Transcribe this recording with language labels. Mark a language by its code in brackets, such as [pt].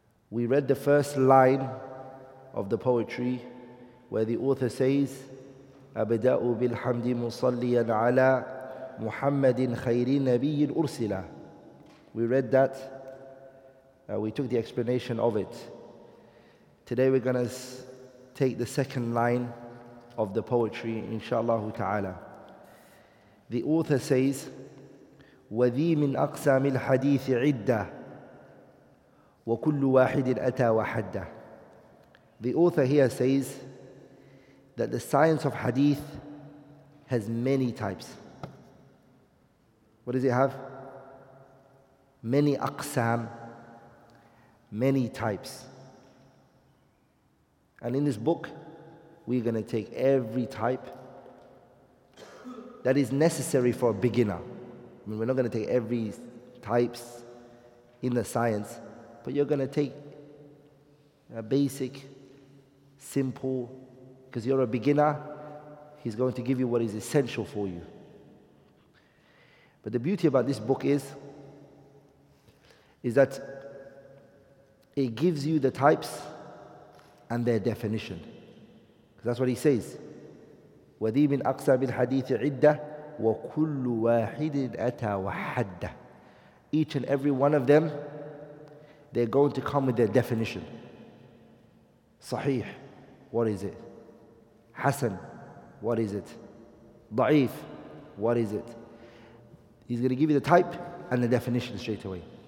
[en] We read the first line of the poetry where the author says, [ar] أبدأ بالحمد مصليا على محمد خير نبي أرسل. [en] We read that, we took the explanation of it. Today we're going to take the second line of the poetry, inshallah ta'ala. The author says, [ar] وذي من أقسام الحديث عدة وكل واحد أتى وحدة. [en] The author here says that the science of hadith has many types. What does it have? Many أقسام, many types. And in this book, we're going to take every type that is necessary for a beginner. I mean, we're not going to take every types in the science, but you're going to take a basic, simple, because you're a beginner, he's going to give you what is essential for you. But the beauty about this book is that it gives you the types and their definition. Because that's what he says. [ar] وَذِي مِنْ أَقْسَى بِالْحَدِيثِ عِدَّةِ وكل واحد أتى وحدة. [en] Each and every one of them, they're going to come with their definition. صحيح, what is it? حسن, what is it? ضعيف, what is it? He's going to give you the type and the definition straight away.